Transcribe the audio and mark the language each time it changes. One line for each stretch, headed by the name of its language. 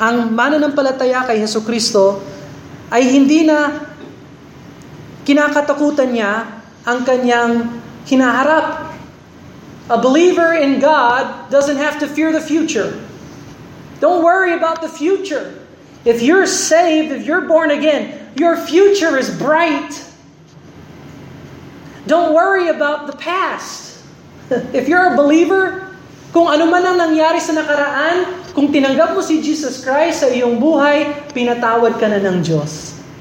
Filipino: Ang mananampalataya kay Jesucristo ay hindi na kinakatakutan niya ang kanyang hinaharap.
English: A believer in God doesn't have to fear the future. Don't worry about the future. If you're saved, if you're born again, your future is bright. Don't worry about the past. If you're a believer,
Filipino: kung ano man ang nangyari sa nakaraan, kung tinanggap mo si Jesus Christ sa iyong buhay, pinatawad ka na ng Diyos.